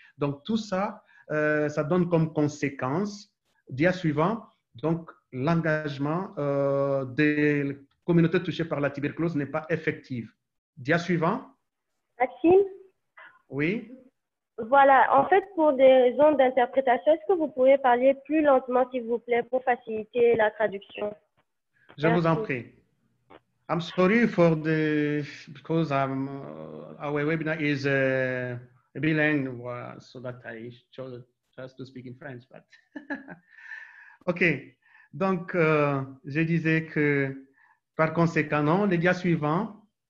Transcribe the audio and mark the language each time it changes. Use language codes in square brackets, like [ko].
[fr] Donc tout ça, ça donne comme conséquence, dia suivant, donc l'engagement des communautés touchées par la tuberculose n'est pas effectif. Dia suivant. Maxime. Oui. Voilà. En fait, pour des raisons d'interprétation, est-ce que vous pourriez parler plus lentement, s'il vous plaît, pour faciliter la traduction? Je vous en prie. [en] I'm sorry for the... Because our webinar is bilingue, so that I chose just to speak in French. But OK. [fr] Donc, je disais que, par conséquent, non, le dia suivant.